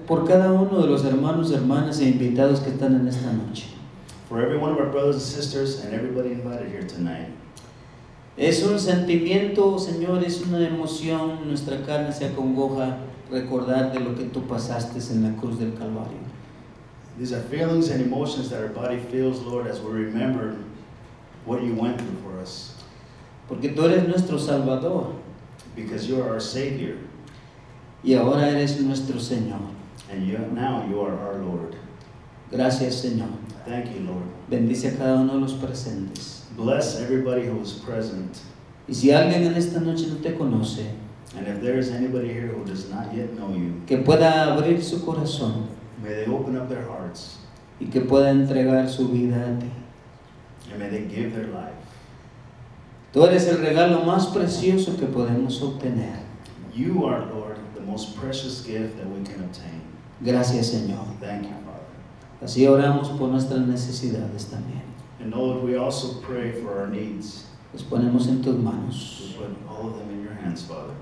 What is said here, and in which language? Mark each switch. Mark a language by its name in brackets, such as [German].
[Spanish] Por cada uno de los hermanos, hermanas e invitados que están en esta noche. [English] For every one of our brothers and sisters and everybody invited here tonight. [Spanish] Es un sentimiento, Señor, es una emoción, nuestra carne se acongoja recordar de lo que tú pasaste en la cruz del Calvario. [English] These are feelings and emotions that our body feels, Lord, as we remember what you went through for us. [Spanish] Porque tú eres nuestro Salvador. [English] Because you are our Savior. [Spanish] Y ahora eres nuestro Señor. [English] And you, now you are our Lord. [Spanish] Gracias, Señor. [English] Thank you, Lord. [Spanish] Bendice a cada uno de los presentes. [English] Bless everybody who is present. [Spanish] Y si alguien en esta noche no te conoce, [English] and if there is anybody here who does not yet know you, [Spanish] que pueda abrir su corazón, [English] may they open up their hearts, [Spanish] y que pueda entregar su vida a ti, [English] and may they give their life. [Spanish] Tú eres el regalo más precioso que podemos obtener. [English] You are, Lord, the most precious gift that we can obtain. [Spanish] Gracias, Señor. [English] Thank you, Father. [Spanish] Así oramos por nuestras necesidades también. [English] And Lord, we also pray for our needs. [Spanish] Los ponemos en tus manos. [English] We put all of them in your hands, Father.